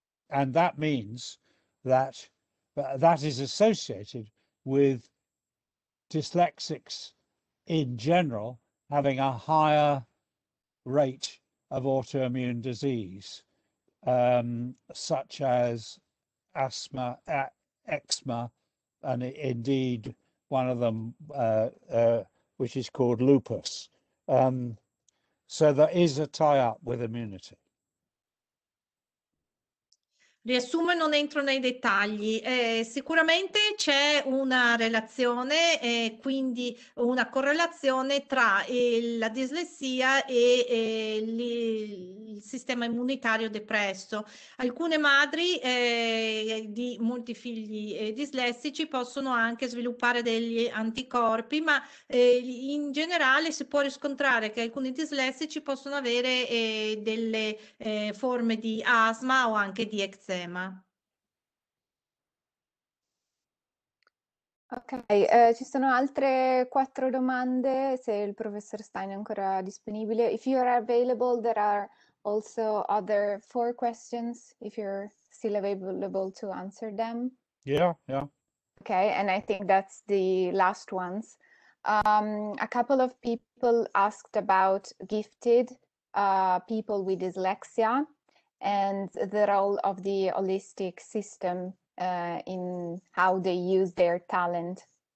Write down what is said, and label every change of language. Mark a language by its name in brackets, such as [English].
[English] And that means that that is associated with dyslexics in general having a higher rate of autoimmune disease, such as asthma, eczema, and indeed one of them, which is called lupus. So there is a tie-up with immunity. [Italian] Riassumo e non entro nei dettagli. Sicuramente c'è una relazione e quindi una correlazione tra la dislessia e il sistema immunitario depresso. Alcune madri di molti figli dislessici possono anche sviluppare degli anticorpi, ma in generale si può riscontrare che alcuni dislessici possono avere delle forme di asma o anche di eczema. Ok, ci sono altre quattro domande, se il professor Stein è ancora disponibile. [English] If you are available, there are also other four questions, if you're still available to answer them. Yeah. Okay, and I think that's the last ones. A couple of people asked about gifted people with dyslexia and the role of the holistic system in how they use their talent.